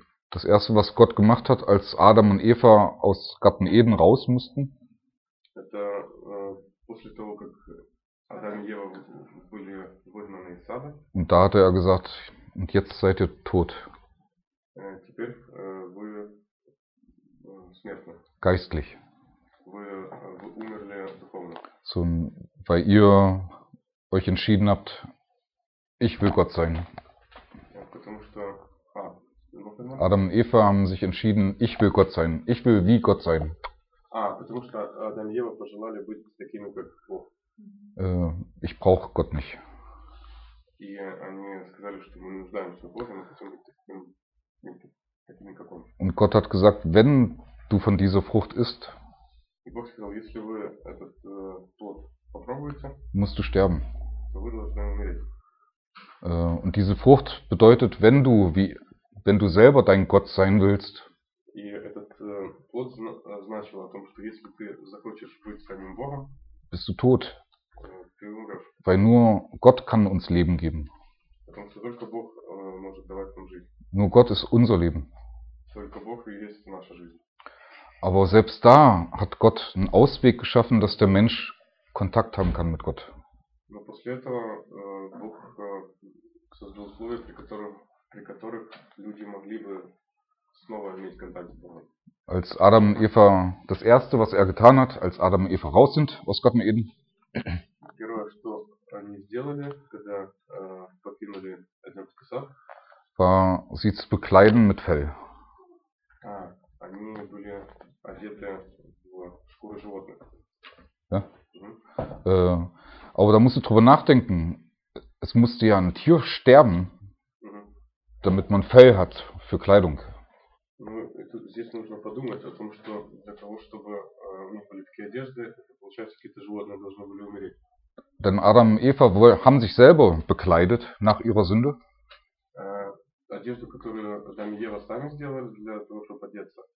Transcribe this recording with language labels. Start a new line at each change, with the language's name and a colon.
German: Das erste, was Gott gemacht hat, als Adam und Eva aus Garten Eden raus mussten,
Russian: это после того, как Адам и Ева были выгнаны из сада.
German: Und da hat er gesagt, und jetzt seid ihr tot.
Russian: Теперь вы смертны.
German: Geistlich.
Russian: Вы умерли духовно.
German: So, weil ihr euch entschieden habt, ich will Gott sein.
Russian: Ja, потому что
German: Адам и Ева haben sich entschieden, ich will Gott sein. Ich will wie Gott sein.
Russian: А, потому что Адам и Ева пожелали быть такими, как Бог.
German: Ich brauche Gott nicht.
Russian: И они сказали, что мы нуждаемся в Боге, мы хотим быть такими, такими, как Он.
German: Und Gott hat gesagt, wenn du von dieser Frucht isst,
Russian: и Бог сказал, если вы этот плод попробуете,
German: musst du sterben.
Russian: То вы должны умереть.
German: Und diese Frucht bedeutet, wenn du, wie, wenn du selber dein Gott sein willst,
Russian: и этот плод значил о том, что если ты захочешь быть самим Богом,
German: bist du tot.
Russian: Ты умрешь.
German: Weil nur Gott kann uns Leben geben.
Russian: Потому что только Бог может давать нам жизнь.
German: Nur Gott ist unser Leben.
Russian: Только Бог и есть наша жизнь.
German: Aber selbst da hat Gott einen Ausweg geschaffen, dass der Mensch Kontakt haben kann mit Gott.
Russian: Но после этого Бог создал условия, при которых люди могли бы снова иметь контакт с Богом.
German: Als Adam und Eva, das erste, was er getan hat, als Adam und Eva raus sind aus Garten Eden.
Russian: Первое, что они сделали, когда покинули Эдемский сад,
German: war sie zu bekleiden mit Fell.
Russian: Они были одеты в шкуру животных.
German: Ja? Aber da musst du drüber nachdenken. Es musste ja ein Tier sterben, damit man Fell hat für Kleidung.
Russian: Ну, и тут здесь нужно подумать о том, что для того, чтобы у них были такие одежды, получается, какие-то животные должны были умереть.
German: Denn Adam und Eva haben sich selber bekleidet nach ihrer Sünde.
Russian: одежду, которую Адам и Ева сами сделали для того, чтобы одеться.